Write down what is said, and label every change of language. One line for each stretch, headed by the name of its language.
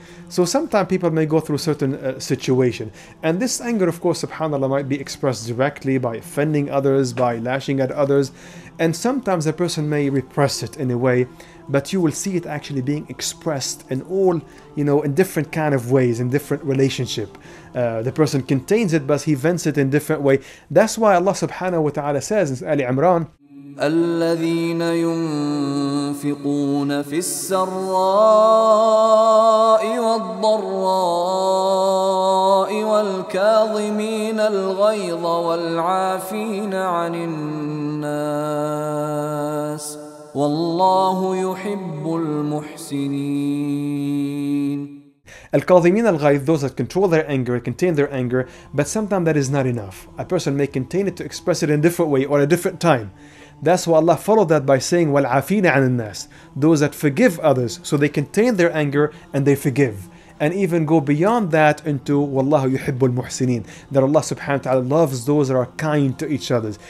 English: So sometimes people may go through certain situation. And this anger, of course, subhanAllah, might be expressed directly by offending others, by lashing at others. And sometimes the person may repress it in a way, but you will see it actually being expressed in all, you know, in different kind of ways, in different relationship. The person contains it, but he vents it in different way. That's why Allah subhanahu wa ta'ala says in Ali Imran,
Arabic: الذين ينفقون في السراء والضراء والكاظمين الغيظ والعافين عن الناس والله يحب المحسنين. الكاظمين الغيظ,
English: those that control their anger, contain their anger, but sometimes that is not enough. A person may contain it to express it in a different way or a different time. That's why Allah followed that by saying
Arabic: وَالْعَافِينَ عَنِ النَّاسِ,
English: those that forgive others. So they contain their anger and they forgive. And even go beyond that into
Arabic: وَاللَّهُ يُحِبُّ الْمُحْسِنِينَ,
English: that Allah subhanahu wa ta'ala loves those that are kind to each other.